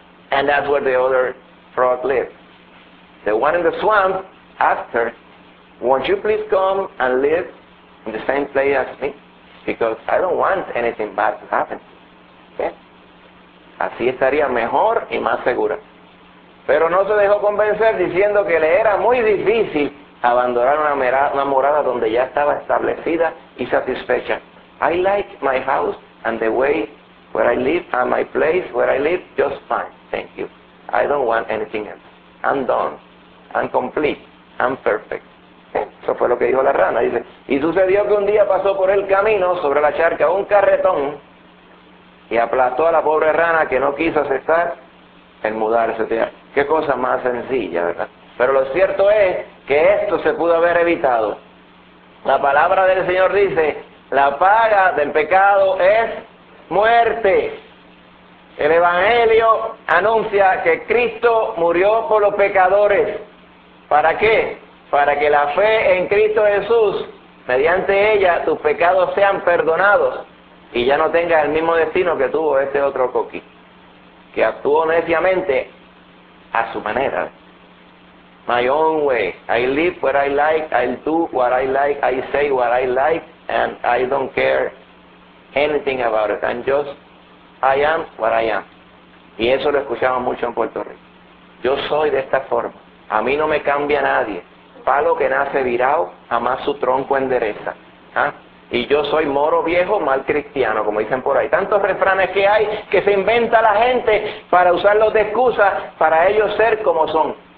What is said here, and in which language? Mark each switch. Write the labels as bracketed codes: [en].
[en] And that's where the other frog lived. The one in the swamp asked her, "Won't you please come and live in the same place as me? Because I don't want anything bad to happen." Okay. [es] Así estaría mejor y más segura. Pero no se dejó convencer diciendo que le era muy difícil abandonar una morada donde ya estaba establecida y satisfecha. [en] "I like my house and the way where I live and my place where I live just fine, thank you. I don't want anything else. I'm done. I'm complete. I'm perfect." [es] Eso fue lo que dijo la rana, dice. Y sucedió que un día pasó por el camino sobre la charca un carretón y aplastó a la pobre rana que no quiso aceptar el mudarse. Qué cosa más sencilla, ¿verdad? Pero lo cierto es que esto se pudo haber evitado. La palabra del Señor dice, la paga del pecado es muerte. El Evangelio anuncia que Cristo murió por los pecadores. ¿Para qué? Para que la fe en Cristo Jesús, mediante ella, tus pecados sean perdonados y ya no tengas el mismo destino que tuvo este otro coquí, que actuó neciamente a su manera. [en] My own way. I live where I like, I do what I like, I say what I like, and I don't care anything about it. I'm just, I am what I am. [es] Y eso lo escuchamos mucho en Puerto Rico. Yo soy de esta forma. A mí no me cambia nadie. Palo que nace virado, jamás su tronco endereza. ¿Ah? Y yo soy moro viejo, mal cristiano, como dicen por ahí. Tantos refranes que hay que se inventa la gente para usarlos de excusa para ellos ser como son.